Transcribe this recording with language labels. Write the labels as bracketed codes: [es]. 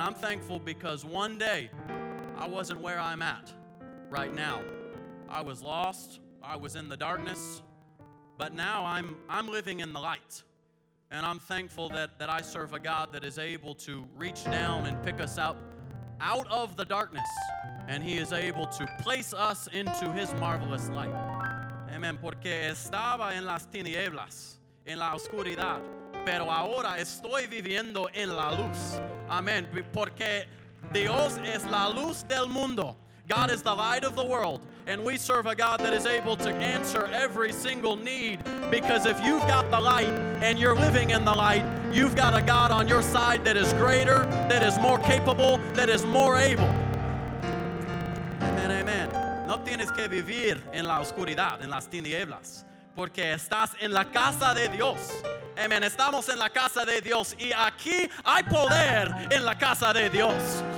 [en] I'm thankful because one day I wasn't where I'm at right now. I was lost. I was in the darkness. But now I'm living in the light. And I'm thankful that I serve a God that is able to reach down and pick us out of the darkness. And he is able to place us into his marvelous light. Amen. [es] Porque estaba en las tinieblas, en la oscuridad. Pero ahora estoy viviendo en la luz. Amen. Porque Dios es la luz del mundo. [en] God is the light of the world. And we serve a God that is able to answer every single need. Because if you've got the light and you're living in the light, you've got a God on your side that is greater, that is more capable, that is more able. Amen, amen. [es] No tienes que vivir en la oscuridad, en las tinieblas. Porque estás en la casa de Dios. Amen. Estamos en la casa de Dios. Y aquí hay poder en la casa de Dios.